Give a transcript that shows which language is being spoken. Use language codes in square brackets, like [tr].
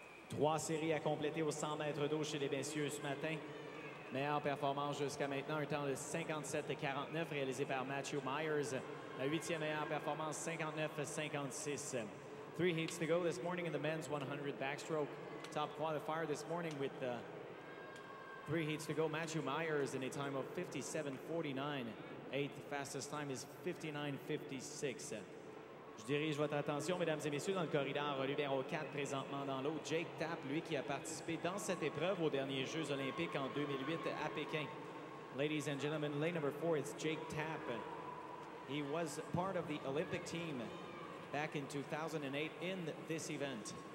[fr] Trois séries à compléter aux 100 mètres d'eau chez les messieurs ce matin. Meilleure performance jusqu'à maintenant, un temps de 57-49 réalisé par Matthew Myers. La huitième meilleure performance, 59-56. [en] Three heats to go this morning in the men's 100 backstroke. Top qualifier this morning with three heats to go. Matthew Myers in a time of 57-49. Eighth fastest time is 59-56. [fr] Je dirige votre attention, mesdames et messieurs, dans le corridor numéro 4 présentement dans l'eau. Jake Tapp, lui qui a participé dans cette épreuve aux derniers Jeux olympiques en 2008 à Pékin. [en] Ladies and gentlemen, lane number 4, it's Jake Tapp. He was part of the Olympic team back in 2008 in this event.